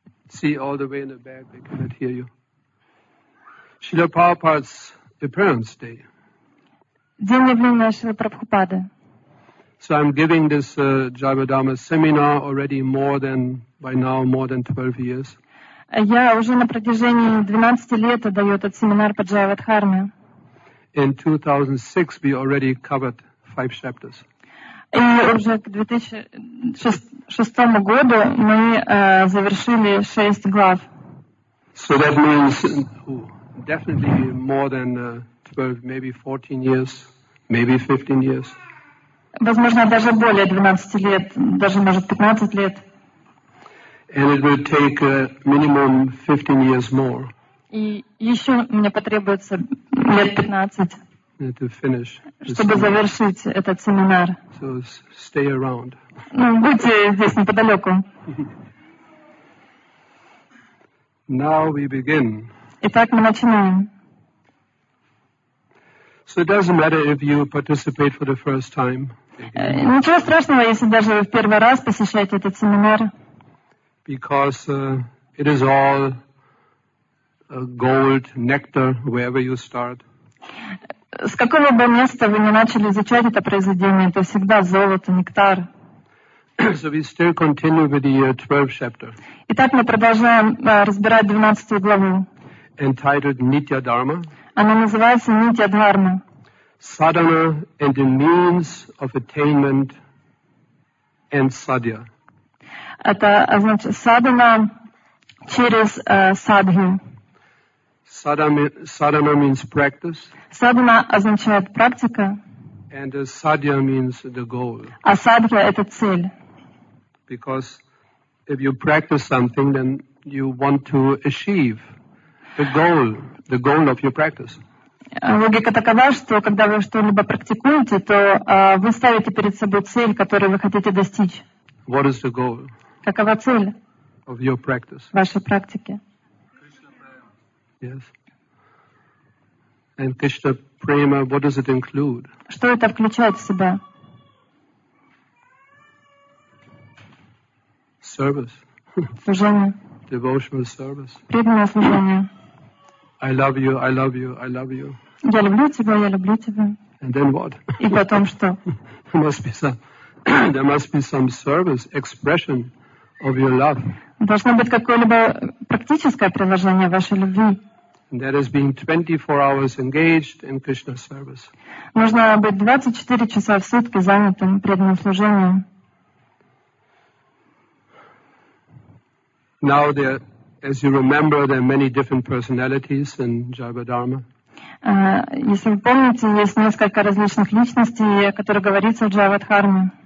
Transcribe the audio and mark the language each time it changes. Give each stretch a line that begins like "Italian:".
English: See, all the way in the back, they cannot hear you. Srila Prabhupada's appearance day.
Russian: День явления Шрилы Прабхупады.
English: So I'm giving this Jiva Dharma seminar already more than, by now, more than 12 years.
Russian: Я уже на протяжении 12 лет даю этот семинар по Jiva Dharma.
English: In 2006, we already covered 5 chapters.
Russian: И уже к 2006 году мы завершили 6 глав.
English: So that means definitely more than 12, maybe 14 years, maybe 15 years.
Russian: Возможно, даже более 12 лет, даже, может, 15 лет.
English: And it will take minimum 15 years more.
Russian: И еще мне потребуется лет 15.
English: to finish
Russian: чтобы
English: seminar.
Russian: Завершить этот семинар.
English: So stay around.
Russian: Ну, будьте здесь неподалеку.
English: Now we begin.
Russian: Итак, мы начинаем.
English: So it doesn't matter if you participate for the first time.
Russian: Ничего страшного, если даже вы в первый раз посещаете этот семинар.
English: Because it is all gold, nectar, wherever you start.
Russian: С какого бы места вы ни начали изучать это произведение, это всегда золото, нектар.
English: So we still continue with the 12th chapter.
Russian: Итак, мы продолжаем разбирать 12 главу.
English: Entitled Nitya Dharma.
Russian: Она называется Нитья Дхарма.
English: Sadhana and the means of attainment and sadhya.
Russian: Это значит садхана через садхи.
English: Sadhana means practice.
Russian: Садхана означает практика.
English: And sadhya means the goal.
Russian: А садхья это цель.
English: Because if you practice something, then you want to achieve the goal of your practice.
Russian: Логика такова, что когда вы что-либо практикуете, то вы ставите перед собой цель, которую вы хотите достичь.
English: What is the goal?
Russian: Какова цель?
English: Of your practice.
Russian: Вашей практики.
English: Yes. And Krishna Prema, what does it include?
Russian: Что это включает в себя?
English: Service.
Russian: Служение.
English: Devotional service.
Russian: Преданное служение.
English: I love you, I love you, I love you.
Russian: Я люблю тебя, я люблю тебя.
English: And then what?
Russian: И потом что?
English: There must be some service, expression of your love.
Russian: Должно быть какое-либо практическое приложение вашей любви.
English: That is being 24 hours engaged in Krishna service.
Russian: Нужно быть 24 часа в сутки занятым преданным служением.
English: Now there, as you remember, there are many different personalities in Jiva Dharma.
Russian: Если вы помните, есть несколько различных личностей, о которых говорится в Jiva Dharma.